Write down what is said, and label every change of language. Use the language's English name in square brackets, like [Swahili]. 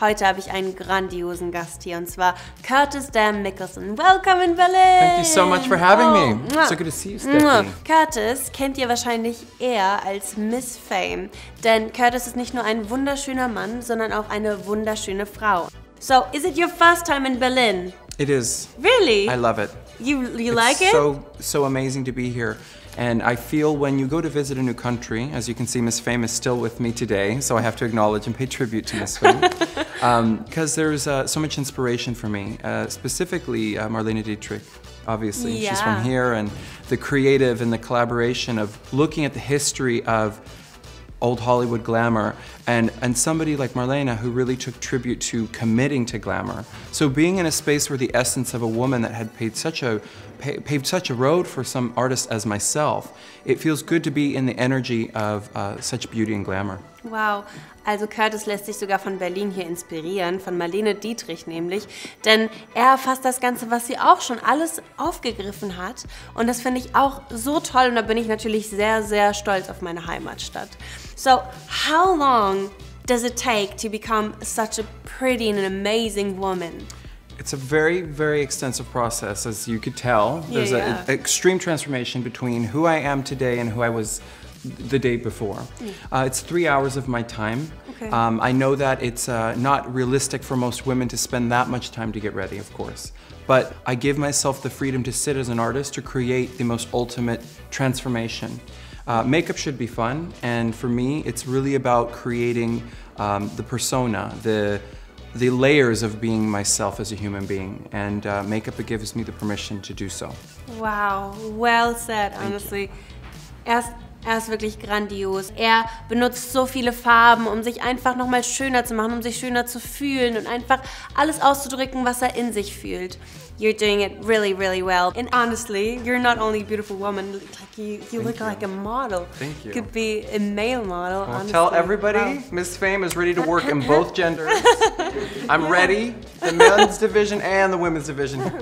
[German] Heute habe ich einen grandiosen Gast hier, und zwar Curtis Dan Mickelson. [English] Welcome in Berlin! Thank you so much for having me. It's so good to see you, Stephanie. [German] Curtis kennt ihr wahrscheinlich eher als Miss Fame, denn Curtis ist nicht nur ein wunderschöner Mann, sondern auch eine wunderschöne Frau. [English] So, is it your first time in Berlin? It is. Really? I love it. You like it? It's so amazing to be here. And I feel when you go to visit a new country, as you can see, Miss Fame is still with me today, so I have to acknowledge and pay tribute to Miss Fame. Because there's so much inspiration for me, specifically Marlene Dietrich, obviously. Yeah. She's from here, and the creative and the collaboration of looking at the history of old Hollywood glamour, and somebody like Marlena who really took tribute to committing to glamour. So being in a space where the essence of a woman that had paved such a road for some artists as myself, it feels good to be in the energy of such beauty and glamour. [German] Wow, also Curtis lässt sich sogar von Berlin hier inspirieren, von Marlene Dietrich nämlich, denn er erfasst das Ganze, was sie auch schon alles aufgegriffen hat, und das finde ich auch so toll, und da bin ich natürlich sehr, sehr stolz auf meine Heimatstadt. [English] So, how long does it take to become such a pretty and an amazing woman? It's a very, very extensive process, as you could tell. There's an extreme transformation between who I am today and who I was the day before. It's 3 hours of my time. Okay. I know that it's not realistic for most women to spend that much time to get ready, of course. But I give myself the freedom to sit as an artist to create the most ultimate transformation. Makeup should be fun, and for me, it's really about creating the persona, the layers of being myself as a human being, and makeup gives me the permission to do so. Wow, well said, honestly. [German] Er ist wirklich grandios. Er benutzt so viele Farben, um sich einfach nochmal schöner zu machen, um sich schöner zu fühlen und einfach alles auszudrücken, was er in sich fühlt. [English] You're doing it really, really well. And honestly, you're not only a beautiful woman, like you look like a model. Thank you. Could be a male model, well, honestly. Tell everybody, wow. Miss Fame is ready to work in both genders. I'm ready, the men's division and the women's division.